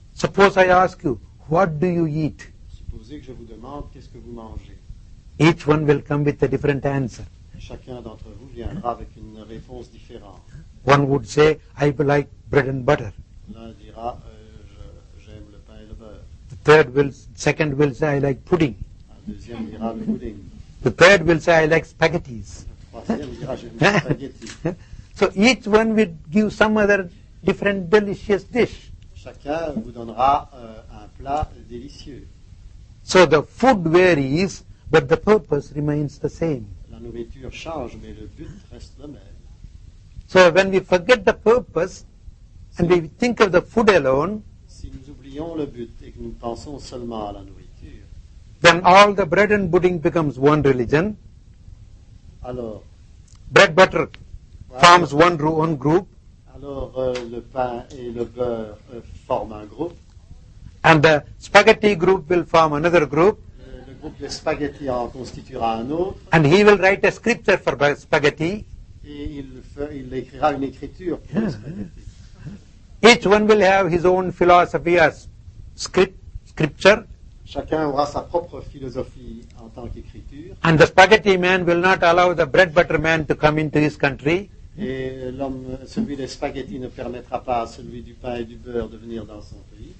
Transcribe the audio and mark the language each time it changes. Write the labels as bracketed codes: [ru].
[en] Suppose I ask you, what do you eat? [fr] Supposez que je vous demande qu'est-ce que vous mangez. [en] Each one will come with a different answer. [fr] Chacun d'entre vous viendra avec une réponse différente. [en] One would say, I like bread and butter. [fr] L'un dira, j'aime le pain et le beurre. [en] The third will, second will say, I like pudding. [fr] Un deuxième dira le pudding. [en] The third will say, I like spaghettis. [fr] Le troisième dira, j'aime les spaghettis. [en] So each one will give some other different delicious dish. [fr] Chacun vous donnera un plat délicieux. [en] So the food varies, but the purpose remains the same. [fr] La nourriture change, mais le but reste le même. [en] So when we forget the purpose and we think of the food alone, [fr] si nous oublions le but et que nous pensons seulement à la nourriture, [en] then all the bread and pudding becomes one religion. [fr] Alors, [en] bread butter forms one group. [fr] Alors le pain et le beurre forment un groupe. [en] And the spaghetti group will form another group. [fr] Le groupe de spaghetti en constituera un autre. [en] And he will write a scripture for spaghetti. [fr] Et il écrira une écriture pour les spaghettis. [en] Each one will have his own philosophy as scripture. [fr] Chacun aura sa propre philosophie en tant qu'écriture. [en] And the spaghetti man will not allow the bread butter man to come into his country. [fr] Et celui des spaghettis ne permettra pas à celui du pain et du beurre de venir dans son pays.